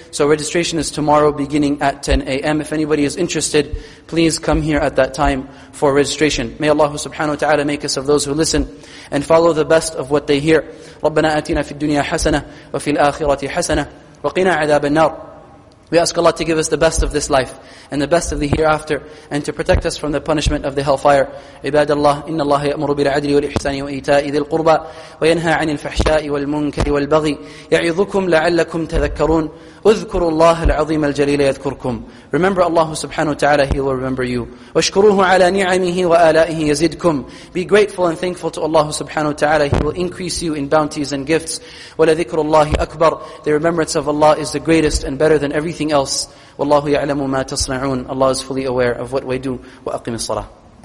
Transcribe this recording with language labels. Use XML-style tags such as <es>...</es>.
<en>So registration is tomorrow beginning at 10 a.m. If anybody is interested, please come here at that time for registration. May Allah subhanahu wa ta'ala make us of those who listen and follow the best of what they hear.</en> <ar>رَبَّنَا أَتِنَا فِي الدُّنْيَا حَسَنَةً وَفِي الْآخِرَةِ حَسَنَةً وَقِنَا عَذَابَ النَّارِ.</ar> <en>We ask Allah to give us the best of this life and the best of the hereafter, and to protect us from the punishment of the hellfire.</en> <ar>عباد الله إن الله يأمر بالعدل والإحسان وإيتاء ذي القربى وينهى عن الفحشاء والمنكر والبغي يعظكم لعلكم تذكرون اذكروا الله العظيم الجليل يذكركم.</ar> <en>Remember Allah subhanahu wa ta'ala, He will remember you.</en> <ar>واشكروه على نعمه وآلائه يزدكم.</ar> <en>Be grateful and thankful to Allah subhanahu wa ta'ala, He will increase you in bounties and gifts.</en> <ar>ولذكر الله أكبر.</ar> <en>The remembrance of Allah is the greatest and better than everything else.</en> <ar>والله يعلم ما تصنعون.</ar> <en>Allah is fully aware of what we do.</en> <ar>وأقم الصلاة.</ar>